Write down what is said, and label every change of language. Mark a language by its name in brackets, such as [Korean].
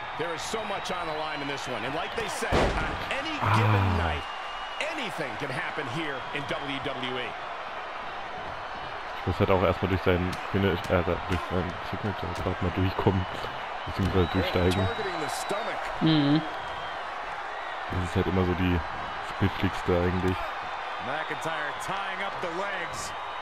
[English] There is so much on the line in this one, and like they said, on any given night, anything can happen here in WWE. [German] Muss halt auch erstmal durch seinen Finish, durch seinen Signature gerade mal durchkommen, beziehungsweise durchsteigen. Das ist halt immer so die Spitzligste eigentlich. [English] McIntyre tying up the legs.